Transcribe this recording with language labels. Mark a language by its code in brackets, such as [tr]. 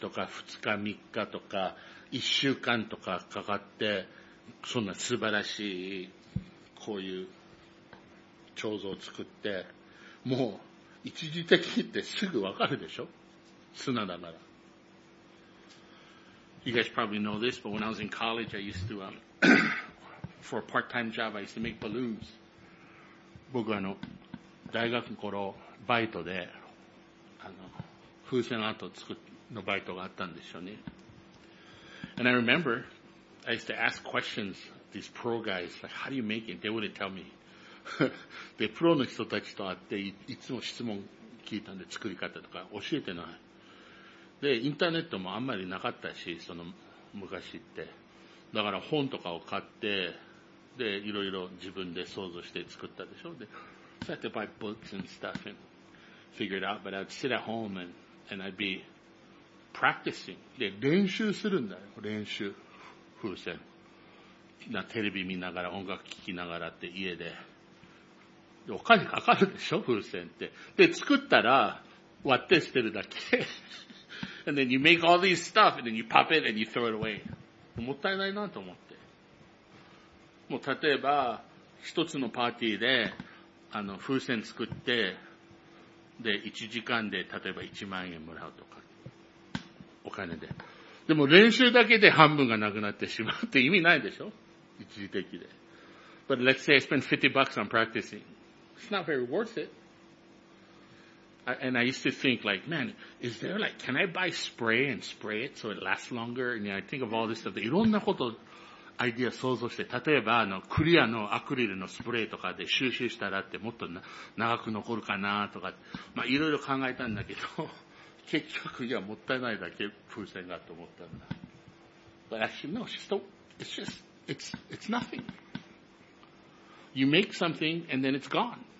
[ja] とか二日三日とか一週間とかかかって、そんな素晴らしいこういう彫像を作って、もう一時的ってすぐわかるでしょ？砂だから。 [en] You guys probably know this, but when I was in college, I used to, for a part-time job, I used to make balloons. [ja] 僕は大学の頃、バイトで、風船跡を作るのバイトがあったんでしょうね。 [en] And I remember, I used to ask questions, these pro guys, like, how do you make it? They wouldn't tell me. [ja] で、プロの人たちと会って、いつも質問聞いたんで、作り方とか教えてない。で、インターネットもあんまりなかったし、その昔って。だから本とかを買って、で、いろいろ自分で想像して作ったでしょ。で [en] I had to buy books and stuff and figure it out, but I'd sit at home and I'd be practicing. [ja] で、練習するんだよ。練習。風船。な、テレビ見ながら、音楽聴きながらって家で。お金かかるでしょ、風船って。で、作ったら、割って捨てるだけ。 [en] And then you make all these stuff and then you pop it and you throw it away. [ja] もったいないなと思って。もう、例えば、一つのパーティーで、風船作って、で、1時間で、例えば1万円もらうとか、お金で。でも練習だけで半分がなくなってしまうって意味ないでしょ？一時的で。 [en] But let's say I spend $50 on practicing. It's not very worth it. And I used to think like, man, is there like, can I buy spray and spray it so it lasts longer? And yeah, I think of all this stuff. [ja] いろんなこと。アイディア想像して、例えばクリアのアクリルのスプレーとかで収集したらってもっと長く残るかなとか、まあいろいろ考えたんだけど、結局いやもったいないだけ風船がと思ったんだ。 [en] But actually, no, it's nothing. You make something and then it's gone.